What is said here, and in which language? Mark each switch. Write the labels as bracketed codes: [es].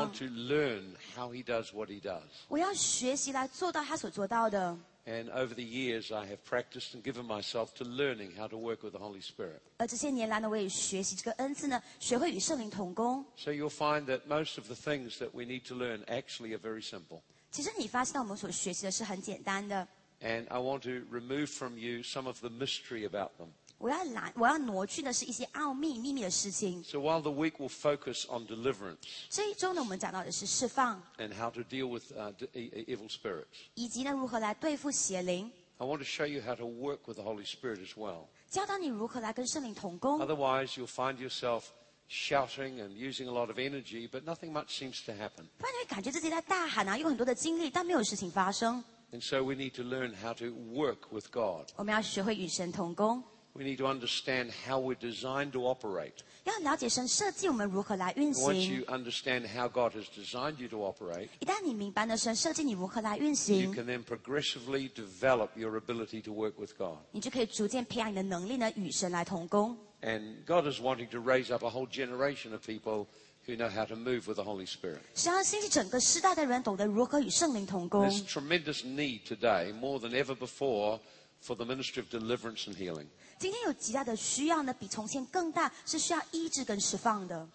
[en] I want to learn how he does what he does. [zh] 我要学习来做到他所做到的。 [en] And over the years, I have practiced and given myself to learning how to work with the Holy Spirit. [zh] 而这些年来呢，我也学习这个恩赐呢，学会与圣灵同工。 [en] So you'll find that most of the things that we need to learn actually are very simple. [zh] 其实你发现到我们所学习的是很简单的。 [en] And I want to remove from you some of the mystery about them. [zh] 我要挪去的是一些奥秘、秘密的事情。 [en] So while the week will focus on deliverance, [zh] 这一周呢，我们讲到的是释放。 [en] And how to deal with evil spirits. [zh] 以及呢，如何来对付邪灵。 [en] I want to show you how to work with the Holy Spirit as well. [zh] 教导你如何来跟圣灵同工。 [en] Otherwise, you'll find yourself shouting and using a lot of energy, but nothing much seems to happen. [zh] 不然你会感觉自己在大喊啊，用很多的精力，但没有事情发生。 [en] And so we need to learn how to work with God. [zh] 我们要学会与神同工。 [en] We need to understand how we're designed to operate. [zh] 要了解神设计我们如何来运行。 [en] Once you understand how God has designed you to operate, [zh] 一旦你明白了神设计你如何来运行， [en] you can then progressively develop your ability to work with God. [zh] 你就可以逐渐培养你的能力呢，与神来同工。 [en] And God is wanting to raise up a whole generation of people. You know how to move with the Holy Spirit. [zh] 想要兴起整个世代的人懂得如何与圣灵同工。 [en] There's tremendous need today, more than ever before, for the ministry of deliverance and healing. [zh] 今天有极大的需要呢，比从前更大，是需要医治跟释放的。